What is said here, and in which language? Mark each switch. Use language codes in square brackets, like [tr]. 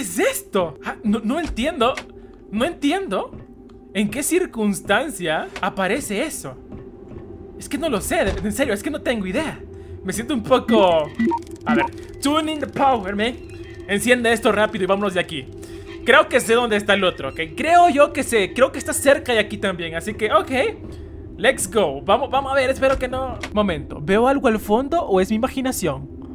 [es] esto? No entiendo. No entiendo. ¿En qué circunstancia aparece eso? Es que no lo sé, en serio, es que no tengo idea. Me siento un poco... A ver, [en] tune in the power, man. [es] Enciende esto rápido y vámonos de aquí. Creo que sé dónde está el otro, ¿ok? Creo yo que sé, creo que está cerca de aquí también. Así que, ok, [en] let's go. [es] Vamos a ver, espero que no... Momento, ¿veo algo al fondo o es mi imaginación?